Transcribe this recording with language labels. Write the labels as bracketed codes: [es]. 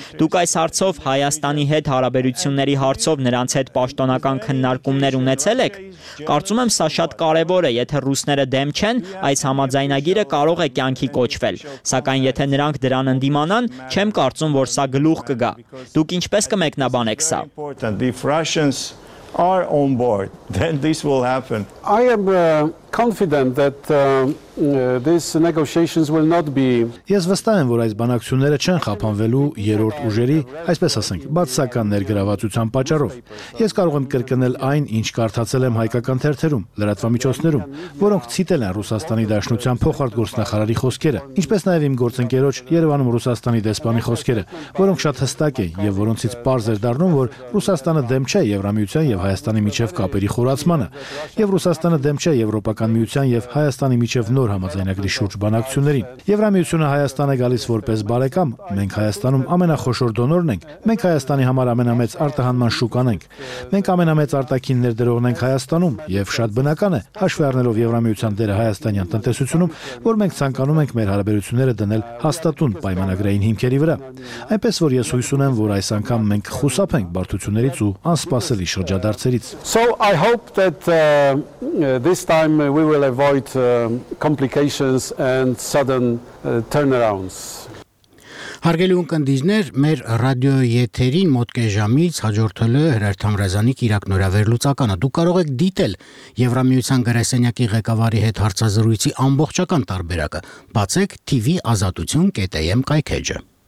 [hy] Դուք այս հարցով, Հայաստանի հետ հարաբերությունների հարցով նրանց հետ պաշտոնական քննարկումներ ունեցել եք։ Կարծում եմ, սա շատ կարևոր է, եթե ռուսները դեմ չեն, այս համաձայնագիրը կարող է կյանքի կոչվել, սակայն եթե նրանք դրան ընդդիմանան, չեմ կարծում, որ սա գլուխ կգա։ Դուք ինչպես կմեկնաբանեք սա։ [en] Important. If Russians are on board, then this will happen. I am confident that these negotiations will not be. [hy] Ես վստահ եմ, որ այս բանակցությունները չեն խափանվելու երրորդ ուժերի, այսպես ասենք, բացական ներգրավվածության պատճառով։ Ես կարող եմ կրկնել այն, ինչ կարդացել եմ հայկական թերթերում, լրատվամիջոցներում, որոնք ցիտել են Ռուսաստանի Դաշնության փոխարտ գործնախարարի խոսքերը, ինչպես նաև իմ գործընկերոջ Երևանում Ռուսաստանի դեսպանի խոսքերը, որոնք շատ հստակ են և որոնցից պարզ էր դառնում, որ Ռուսաստանը դեմ չէ Եվրամիության և Հայաստանի միջև կապերի խորացմանը, և Ռուսաստանը դեմ չէ Եվրոպական միության և Հայաստանի միջև նոր համաձայնագրի շուրջ բանակցություններին։ Եվրամիությունը Հայաստան է գալիս որպես բարեկամ, մենք Հայաստանում ամենախոշոր դոնորն ենք, մենք Հայաստանի համար ամենամեծ արտահանման շուկան ենք, մենք ամենամեծ արտաքին ներդրողն ենք Հայաստանում, և շատ բնական է, հաշվի առնելով Եվրամիության դերը հայաստանյան տնտեսությունում, որ մենք ցանկանում ենք մեր հարաբերությունները դնել հաստատուն պայմանագրային հիմքերի վրա։ Այնպես որ ես հույս ունեմ, որ այս անգամ մենք խուսափենք բարդություններից ու անսպասելի շրջադարձերից։ [en] So I hope that this time we will avoid complications and sudden turnarounds. [hy] Հարգելի ընկերներ, մեր ռադիոյեթերին մոտ կես ժամից հաջորդել է Հրերթան Ռազանի կիրակ նորավեր լուծականը։ Դուք կարող եք դիտել Եվրամիության գրասենյակի ղեկավարի հետ հարցազրույցի ամբողջական տարբերակը։ Բացեք tvazatutyun.am կայքէջը։